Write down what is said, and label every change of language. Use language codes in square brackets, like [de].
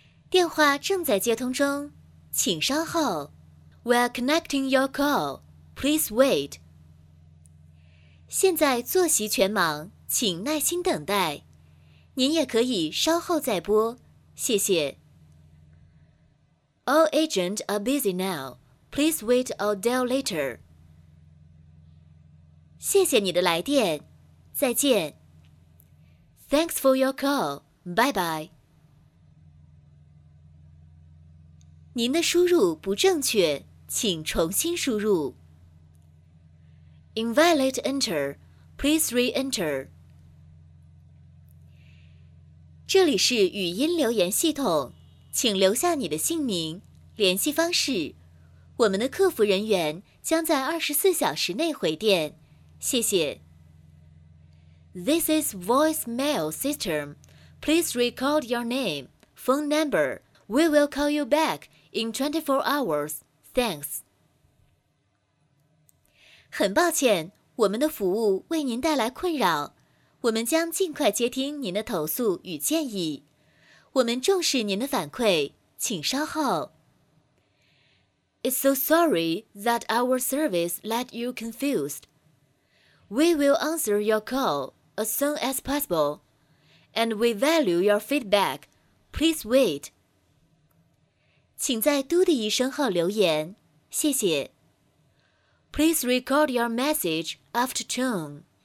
[zh] 电话正在接通中，请稍后。 [en] We are connecting your call. Please wait. [zh] 现在坐席全忙，请耐心等待。您也可以稍后再拨，谢谢。 [en] All agents are busy now. Please wait or dial later. [zh] 谢谢你的来电，再见。 [en] Thanks for your call. Bye-bye. [zh] 您的输入不正确，请重新输入。 [en] Invalid enter. Please re-enter. [zh] 这里是语音留言系统，请留下你的姓名、联系方式。我们的客服人员将在24小时内回电。谢谢。 [en] This is voicemail system. Please record your name, phone number. We will call you back in 24 hours. Thanks. [zh] 很抱歉，我们的服务为您带来困扰。我们将尽快接听您的投诉与建议。我们重视您的反馈，请稍后。 [en] It's so sorry that our service left you confused. We will answer your call. As soon as possible, and we value your feedback. Please wait. [zh] 请在嘟的一声后留言，谢谢。 [en] Please record your message after tone.